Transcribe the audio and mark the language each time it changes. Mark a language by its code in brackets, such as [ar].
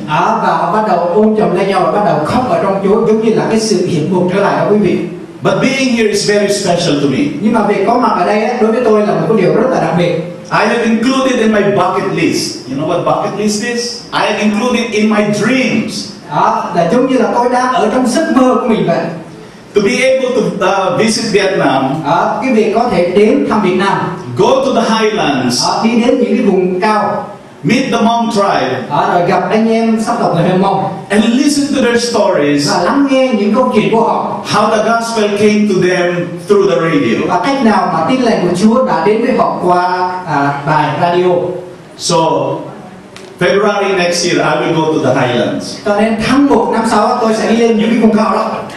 [vi] Và họ bắt đầu ôm chầm lấy nhau và bắt đầu khóc ở trong Chúa, giống như là cái sự hiện một trở lại đó quý vị. [en] But being here is very special to me. [vi] Nhưng mà việc có mặt ở đây đối với tôi là một cái điều rất là đặc biệt. [en] I have included in my bucket list. You know what bucket list is? I have included in my dreams. [vi] Là giống như là tôi đang ở trong giấc mơ của mình vậy. [en] To be able to visit Vietnam. [vi] Cái việc có thể đến thăm Việt Nam. [en] Go to the highlands. [vi] Đi đến những cái vùng cao. [en] Meet the Hmong tribe. [vi] Rồi gặp anh em sắp tộc người Hmong. [en] And listen to their stories. [vi] Và lắng nghe những câu chuyện của họ. [en] How the gospel came to them through the radio. [vi] Và cách nào mà tin lành của Chúa đã đến với họ qua bài radio. [en] So February next year I will go to the highlands. [vi] Cho nên tháng 1 năm sau tôi sẽ đi lên những cái vùng cao đó.